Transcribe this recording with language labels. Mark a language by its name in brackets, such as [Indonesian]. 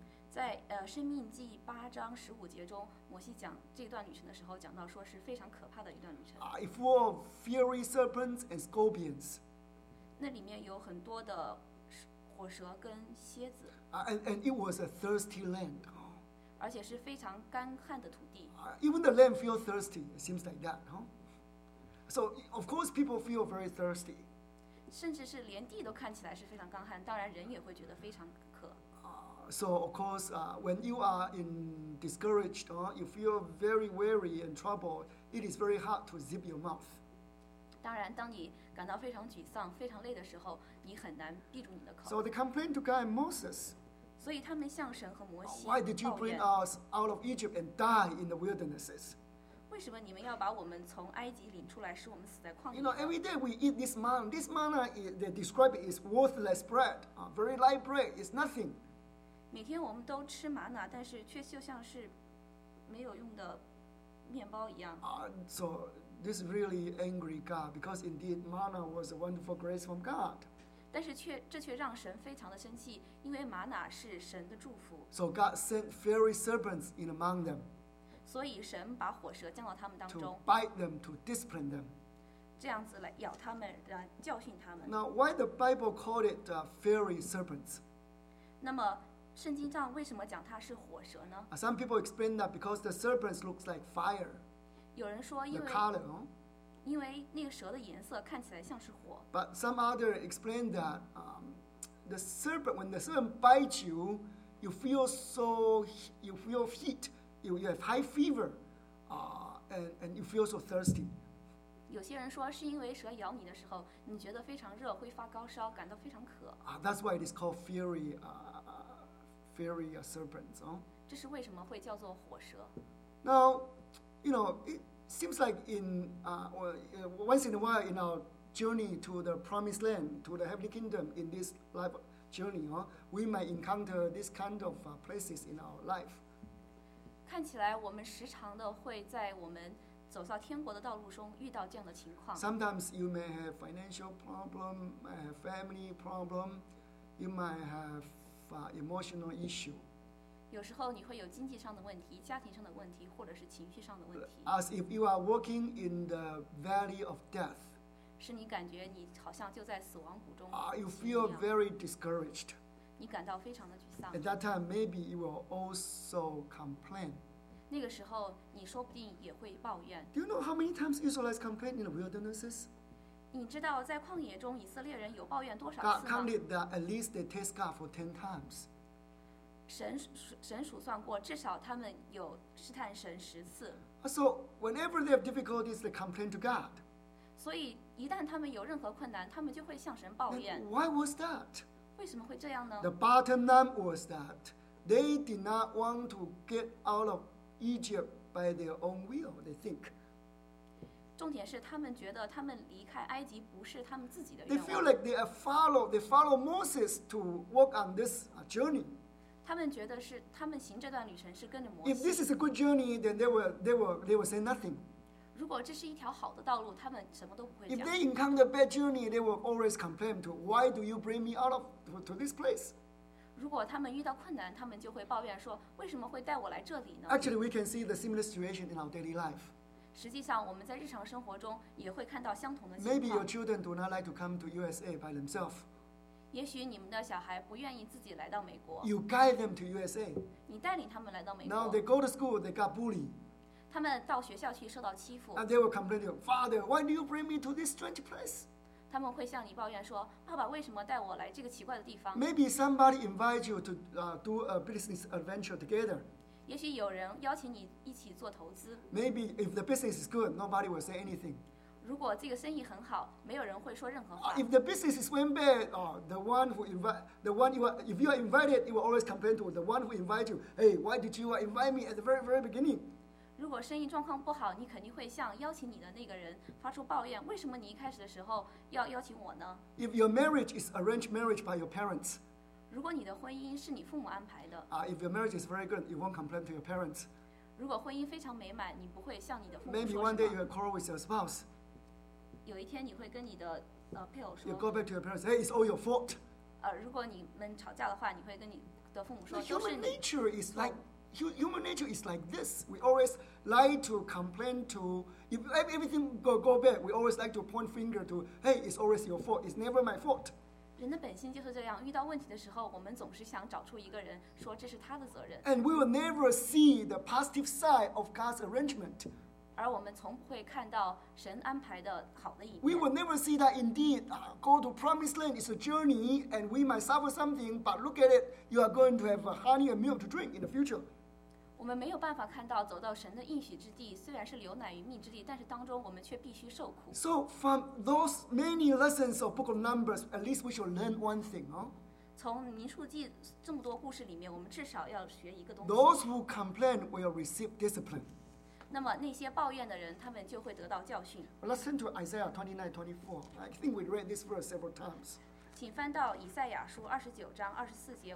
[Chinese] 在生命记八章十五节中，摩西讲这段旅程的时候，讲到说是非常可怕的一段旅程。 [English] It full of fiery serpents and scorpions. [Chinese] 那里面有很多的火蛇跟蝎子。 [English] And it was a thirsty land. [Chinese] 而且是非常干旱的土地。 [English] Even the land feel thirsty. It seems like that, So of course people feel very thirsty. [Chinese] 甚至是连地都看起来是非常干旱，当然人也会觉得非常。 [English] So of course, when you are in discouraged, you feel very weary and troubled. It is very hard to zip your mouth. [Chinese] 当然，当你感到非常沮丧、非常累的时候，你很难闭住你的口。 [English] So they complained to God and Moses. [Chinese] 所以他们向神和摩西抱怨。 [English] Why did you bring us out of Egypt and die in the wildernesses? [Chinese] 为什么你们要把我们从埃及领出来，使我们死在旷野？ [English] You know, every day we eat this manna. This manna, they describe it as worthless bread, very light bread. It's nothing. [Chinese] 每天我们都吃玛瑙，但是却就像是没有用的面包一样。 [English] So this really angry God, because indeed manna was a wonderful grace from God. [Chinese] 但是却这却让神非常的生气，因为玛瑙是神的祝福。 [English] So God sent fiery serpents in among them. [Chinese] 所以神把火蛇降到他们当中。 [English] To bite them, to discipline them. [Chinese] 这样子来咬他们，来教训他们。 [English] Now why the Bible called it the fiery serpents? [Chinese] 那么圣经上为什么讲它是火蛇呢？ [English] Some people explain that because the serpents looks like fire. [Chinese] 有人说因为 [English] the color, [Chinese] 因为那个蛇的颜色看起来像是火。 [English] But some other explain that the serpent when the serpent bites you, you feel heat, you have high fever, and you feel so thirsty. [Chinese] 有些人说是因为蛇咬你的时候，你觉得非常热，会发高烧，感到非常渴。 [English] That's why it is called fiery. Fiery serpents, [Chinese] 这是为什么会叫做火蛇？ [English] Now, you know, it seems like in once in a while in our journey to the promised land, to the heavenly kingdom, in this life journey, we might encounter this kind of places in our life. [Chinese] 看起来我们时常的会在我们走上天国的道路中遇到这样的情况。 [English] Sometimes you may have financial problem, may have family problem, you might have. Emotional issue. [Chinese] 有时候你会有经济上的问题，家庭上的问题，或者是情绪上的问题。 [English] As if you are walking in the valley of death. [Chinese] 是你感觉你好像就在死亡谷中。 [English] You feel very discouraged. [Chinese] 你感到非常的沮丧。 [English] At that time, maybe you will also complain. [Chinese] 那个时候你说不定也会抱怨。 [English] Do you know how many times Israelites complain in the wildernesses? [Chinese] 你知道在旷野中以色列人有抱怨多少次吗？ [English] God counted that at least they test God for 10 times. [Chinese] 神数算过，至少他们有试探神十次。 [English] So whenever they have difficulties, they complain to God. [Chinese] 所以一旦他们有任何困难，他们就会向神抱怨。 [English] Why was that? [Chinese] 为什么会这样呢？ [English] The bottom line was that they did not want to get out of Egypt by their own will, they think. [Chinese] 重点是他们觉得他们离开埃及不是他们自己的愿望。 [English] They feel like they are follow Moses to walk on this journey. [Chinese] 他们觉得是他们行这段旅程是跟着摩西。 [English] If this is a good journey, then they will say nothing. [Chinese] 如果这是一条好的道路，他们什么都不会讲。 [English] If they encounter a bad journey, they will always complain to why do you bring me out of to this place? [Chinese] 如果他们遇到困难，他们就会抱怨说为什么会带我来这里呢？ [English] Actually, we can see the similar situation in our daily life. [Chinese] 实际上，我们在日常生活中也会看到相同的情况。 [English] Maybe your children do not like to come to USA by themselves. [Chinese] 也许你们的小孩不愿意自己来到美国。 [English] You guide them to USA. [Chinese] 你带领他们来到美国。 [English] Now they go to school, they got bullied. [Chinese] 他们到学校去受到欺负。 [English] And they will complain to you, Father, why do you bring me to this strange place? [Chinese] 他们会向你抱怨说，爸爸为什么带我来这个奇怪的地方？ [English] Maybe somebody invites you to do a business adventure together. [Chinese] 也许有人邀请你一起做投资。 [English] Maybe if the business is good, nobody will say anything. [Chinese] 如果这个生意很好，没有人会说任何话。 [English] If the business is going bad, if you are invited, you will always complain to the one who invited you. Hey, why did you invite me at the very, very beginning? [Chinese] 如果生意状况不好，你肯定会向邀请你的那个人发出抱怨，为什么你一开始的时候要邀请我呢？ [English] If your marriage is arranged marriage by your parents, [Chinese] 如果你的婚姻是你父母安排的， [English] If your marriage is very good, you won't complain to your parents. [Chinese] 如果婚姻非常美满，你不会向你的父母说什么。 [English] Maybe one day you will quarrel with your spouse. [Chinese] 有一天你会跟你的配偶说， [English] You go back to your parents, hey, it's all your fault. [Chinese] 如果你们吵架的话，你会跟你的父母说， [English] The human nature is like,Human nature is like this. We always like to complain to, if everything go bad, we always like to point finger to, hey, it's always your fault. It's never my fault. [Chinese] 人的本性就是这样，遇到问题的时候，我们总是想找出一个人说这是他的责任。 [English] And we will never see the positive side of God's arrangement. [Chinese] 而我们从不会看到神安排的好的一面。 [English] We will never see that indeed, go to promised land is a journey, and we might suffer something, but look at it, you are going to have honey and milk to drink in the future. [Chinese] 我们没有办法看到走到神的应许之地，虽然是牛奶与蜜之地，但是当中我们却必须受苦。 [English] So from those many lessons of Book of Numbers, at least we should learn one thing, huh? [Chinese] 从民数记这么多故事里面，我们至少要学一个东西。 [English] Those who complain will receive discipline. [Chinese] 那么那些抱怨的人，他们就会得到教训。 [English] Let's turn to Isaiah 29:24. I think we read this verse several times. [Chinese] 请翻到以赛亚书二十九章二十四节。